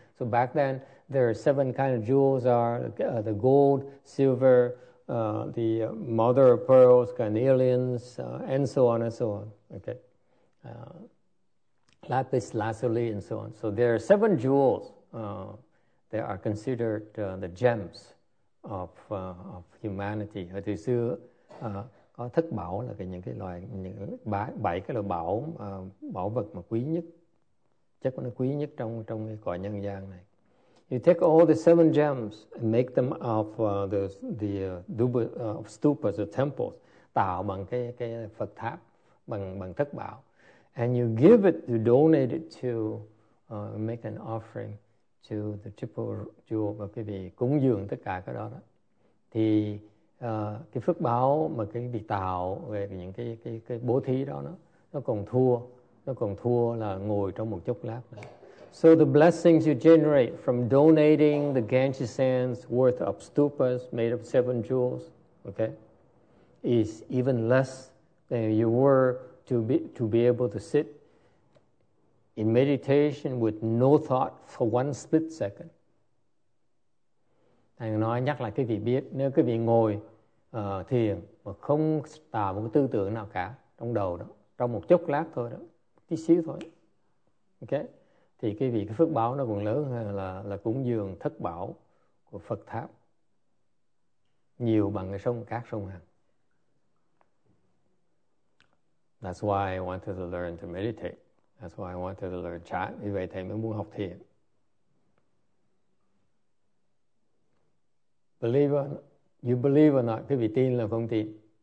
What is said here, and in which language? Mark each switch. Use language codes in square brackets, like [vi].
[en] So back then there are seven kind of jewels, are the gold, silver, the mother of pearls, carnelians, and so on and so on. Okay. Lapis lazuli and so on. So there are seven jewels that are considered the gems of humanity. [vi] Thời xưa có thất bảo là cái những cái loài những bảy bảy cái loại bảo bảo vật mà quý nhất, chắc nó quý nhất trong trong cái cõi nhân gian này. [en] You take all the seven gems and make them of the stupas, the temples, [vi] tạo bằng cái Phật tháp bằng bằng thất bảo. [en] And you give it, you donate it to make an offering to the triple jewel, [vi] và quý vị cúng dường tất cả cái đó đó. Thì cái phước báo mà cái việc tạo về những cái bố thí đó nó còn thua là ngồi trong một chốc lát nữa. [en] So the blessings you generate from donating the Ganges sands worth of stupas made of seven jewels, okay, is even less than you were to be able to sit in meditation with no thought for one split second. [vi] Thầy nói nhắc lại quý vị biết, nếu quý vị ngồi thiền mà không tạo một tư tưởng nào cả trong đầu đó, trong một chốc lát thôi đó, tí xíu thôi, okay, thì quý vị cái phước báo nó còn lớn hơn là cúng dường thất bảo của Phật tháp nhiều bằng cái sông cát sông Hằng. [en] That's why I wanted to learn to meditate. That's why I wanted to learn chant. [vi] Vì vậy thầy mới muốn học thiền. [en] Believe or not, you believe or not, [vi] quý vị tin là không tin?